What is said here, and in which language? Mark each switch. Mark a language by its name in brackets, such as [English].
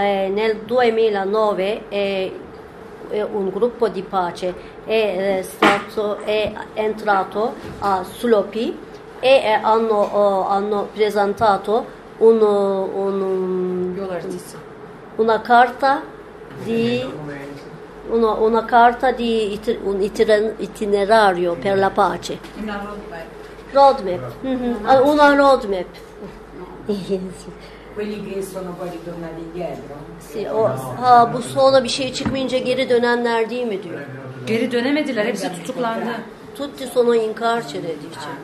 [Italian] Nel 2009 è un gruppo di pace è entrato a Sulopi e hanno presentato una carta di una carta di un itinerario per la pace. Una roadmap. Una roadmap. Quelli che sono poi ritornati indietro? [Turkish] Sì, bu sola bir şey çıkmayınca geri dönenler değil mi diyor? Geri dönemediler, hepsi tutuklandı. [Italian] Tutti sono in carcere dice.